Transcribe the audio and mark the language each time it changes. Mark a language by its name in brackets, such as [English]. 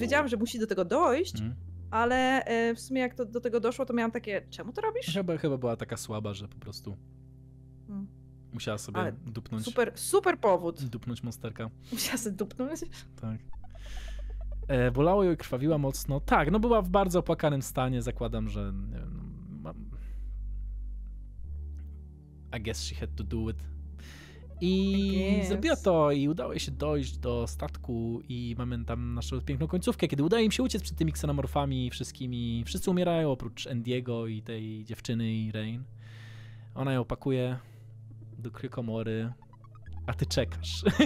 [Polish] Wiedziałam, że musi do tego dojść, ale w sumie jak to do tego doszło, to miałam takie, czemu to robisz? Chyba była taka słaba, że po prostu musiała sobie ale dupnąć. Super, super powód. Dupnąć monsterka. Musiała sobie dupnąć? Tak. Bolało ją i krwawiła mocno. Tak, no była w bardzo opłakanym stanie, zakładam, że... Nie wiem, no, [English] I guess she had to do it. [Polish] I zrobiła to i udało jej się dojść do statku i mamy tam naszą piękną końcówkę, kiedy udaje im się uciec przed tymi ksenomorfami wszystkimi. Wszyscy umierają oprócz Andiego i tej dziewczyny i Rain. Ona ją pakuje do kryokomory, a ty czekasz.